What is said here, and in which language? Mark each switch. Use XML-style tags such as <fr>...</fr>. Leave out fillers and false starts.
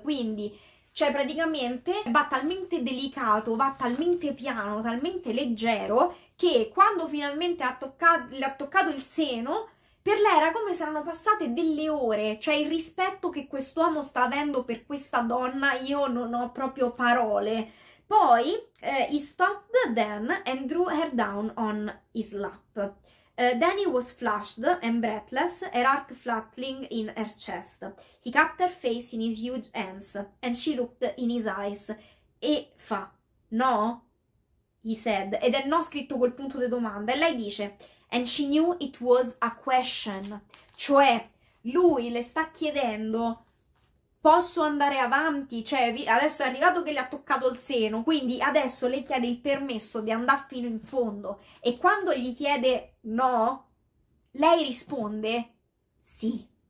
<it>Quindi, cioè, praticamente va talmente delicato, va talmente piano, talmente leggero, che quando finalmente le ha toccato il seno, per lei era come se erano passate delle ore. Cioè, il rispetto che quest'uomo sta avendo per questa donna, io non ho proprio parole.</it> <en>Poi, he stopped then and drew her down on his lap. Then he was flushed and breathless, her heart fluttering in her chest. He kept her face in his huge hands, and she looked in his eyes.</en> <it>E fa, no?</it> <en>He said,</en> <it>ed è no scritto col punto di domanda. E lei dice,</it> <en>and she knew it was a question.</en> <it>Cioè, lui le sta chiedendo, posso andare avanti? Cioè, adesso è arrivato che le ha toccato il seno, quindi adesso le chiede il permesso di andare fino in fondo. E quando gli chiede, no, lei risponde sì.</it>